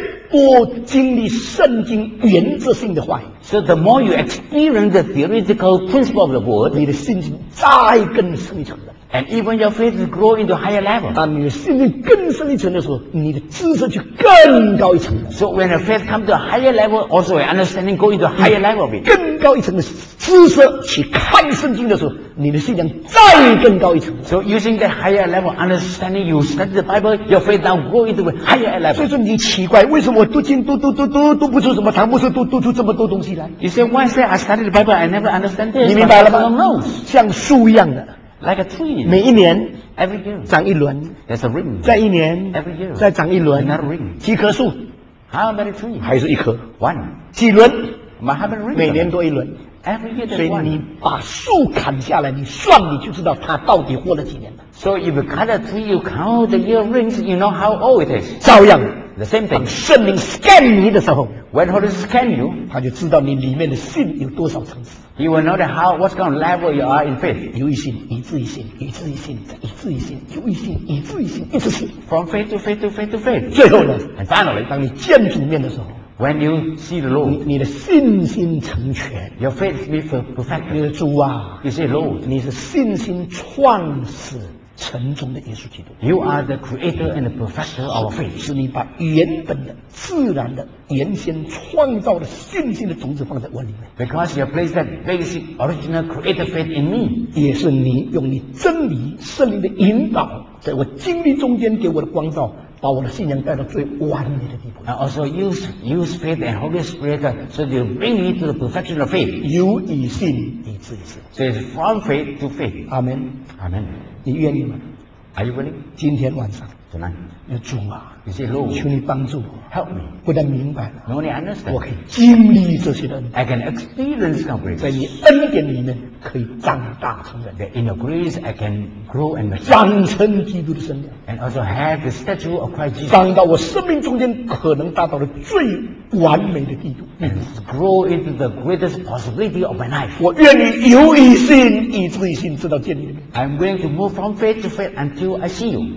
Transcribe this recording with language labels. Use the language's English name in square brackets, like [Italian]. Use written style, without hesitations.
[Chinese] 多经历圣经原则性的话语 [English] ，so the more you experience the theoretical principle of the word， [Chinese] 你的信心再更深一层的 [English] ，and even your faith is grow into higher level。 [Chinese] 当你的信心更深一层的时候，你的知识就更高一层的。 [English] So when your faith comes to a higher level, also your understanding go into a higher level of it。 [Chinese] 更高一层的知识去看圣经的时候，你的信仰再更高一层。 [English] So using that higher level understanding, you study the Bible, your faith now go into a higher level。 [Chinese] 所以说你奇怪，为什么我读经读不出什么，唐牧师读出这么多东西来 [English] ？You say once I study the Bible, I never understand this。 [Chinese] 你明白了吗？像树一样的 [English] ，like a tree。 [Chinese] 每一年 [English] ，every year， [Chinese] 长一轮 [English] ，there's a ring。 [Chinese] 再一年 [English] ，every year， [Chinese] 再长一轮 [English] ，another ring。 [Chinese] 几棵树 [English] ？How many trees？ [Chinese] 还是一棵 [English] ？One。 [Chinese] 几轮 [English] ？My how many rings？ [Chinese] 每年多一轮。 [English] Every year [Chinese] 所以你把树砍下来，你算你就知道它到底活了几年了。 [English] So if you cut a tree, you count the year rings, you know how old it is. [Chinese] 照样 [English] ，the same thing. [Chinese] 当圣灵 scan 你的时候 [English] ，when Holy scan you， [Chinese] 他就知道你里面的信有多少层次。 [English] He will know that how what kind of level you are in faith. [Chinese] 由于信，以至于信，以至于信，以至于信，由于信，以至于信，一直信。 [English] From faith to faith to faith to faith. [Chinese] 最后呢 [English] ，and finally， [Chinese] 当你见主面的时候。 [English] When you see the Lord, [Chinese] 你的信心成全 [English] ，Your faith is perfect. [Chinese] 你的主啊 [English] ，You say Lord, [Chinese] 你是信心创始成宗的耶稣基督。 [English] You are the creator and the professor of faith. [Chinese] 是你把原本的、自然的、原先创造的信心的种子放在我里面。 [English] Because you place that basic, original, creator faith in me. [Chinese] 也是你用你真理、圣灵的引导，在我经历中间给我的光照，把我的信仰带到最完美的地步。 [English] And also use faith and Holy Spirit so you bring me to the perfection of faith. [Chinese] 由以信，以至以信。 [English] So it's from faith to faith. Amen. Amen. [Chinese] 你愿意吗？ [English] Are you willing? [Chinese] 今天晚上。 [English] Tonight. [Chinese] 要主啊。 [English] You say, Lord. [Chinese] 求你帮助我。 [English] Help me. [Chinese] 不但明白 [English] 了。No, I understand. [Chinese] 我可以经历这些的恩。 [English] I can experience God's grace. [Chinese] 在你恩典里面可以长大成人。 [English] That in your grace, I can grow and mature. [Chinese] 长成基督的身量。 [English] And also have the stature of Christ Jesus. [Chinese] 长到我生命中间可能达到的最完美的地步。 [English] And grow into the greatest possibility of my life. [Chinese] 我愿意由以信，以至以信，直到见你的面。 [English] I'm going to move from faith to faith until I see you.